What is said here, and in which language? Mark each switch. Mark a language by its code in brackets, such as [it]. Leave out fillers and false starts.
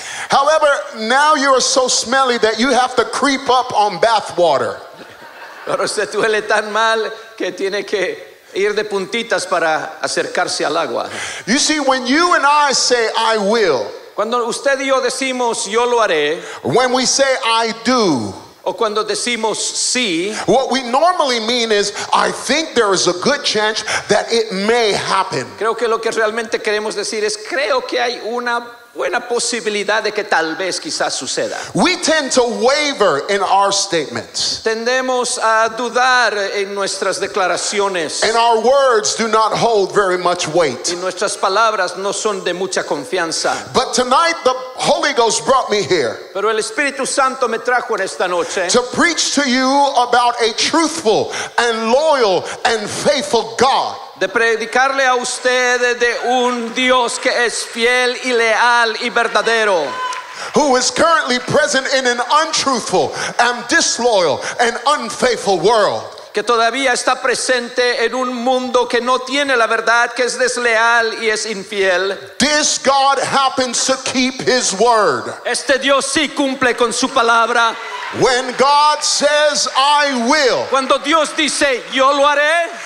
[en] However, now you are so smelly that you have to creep up on bath water. [es] Pero se duele tan mal que tiene que ir de puntitas para acercarse al agua. [en] You see, when you and I say I will, [es] cuando usted y yo decimos yo lo haré, [en] when we say I do, [es] o cuando decimos sí, [en] what we normally mean is I think there is a good chance that it may happen. [es] Creo que lo que realmente queremos decir es creo que hay una buena posibilidad de que tal vez quizás suceda. [en] We tend to waver in our statements. [es] Tendemos a dudar en nuestras declaraciones. [en] And our words do not hold very much weight. [es] Y nuestras palabras no son de mucha confianza. [en] But tonight the Holy Ghost brought me here. [es] Pero el Espíritu Santo me trajo en esta noche. [en] To preach to you about a truthful and loyal and faithful God. [es] De predicarle a usted de un Dios que es fiel y leal y verdadero. [en] Who is currently present in an untruthful and disloyal and unfaithful world. [es] Que todavía está presente en un mundo que no tiene la verdad, que es desleal y es infiel. [en] This God happens to keep his word. [es] Este Dios sí cumple con su palabra. [en] When God says, I will, [es] cuando Dios dice, yo lo haré,